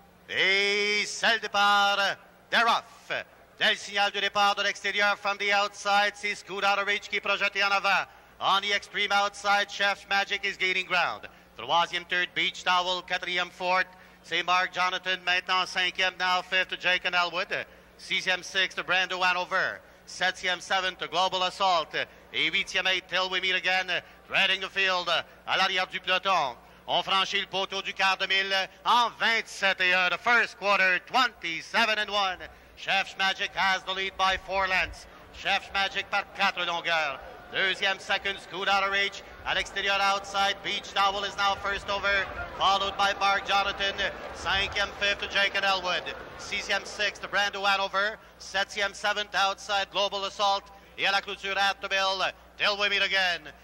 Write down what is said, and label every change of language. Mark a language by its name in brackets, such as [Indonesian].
[French] Et celle de part, [English] they're off. [French] Dès le signal du départ de l'extérieur, [English] from the outside, [French] c'est Scoot Out of Reach qui projeté en avant. [English] On the extreme outside, Chef's Magic is gaining ground. [French] Troisième, third, Beach Towel, quatrième, fourth, c'est Mark Jonathan, maintenant cinquième, [English] now fifth, [French] Jake and Elwood. Sixième, sixth, Brando Hanover. Septième, seventh, Global Assault. Et huitième, eight, Till We Meet Again, [English] threading the field, [French] à l'arrière du peloton. On franchit le poteau du quart de mille en 27 et 1. [English] The first quarter, 27-1. Chef's Magic has the lead by four lengths. [French] Chef's Magic par quatre longueurs. [English] Deuxième, second, Scoot Out of Reach. [French] À l'extérieur, [English] outside, Beach Towel is now first over, followed by Mark Jonathan. [French] Cinquième, fifth, Jacob Elwood. Sixième, sixth, Brando Hanover. Septième, seventh, outside, Global Assault. Et à la clôture, [English] at the mill, [French] Till We Meet Again.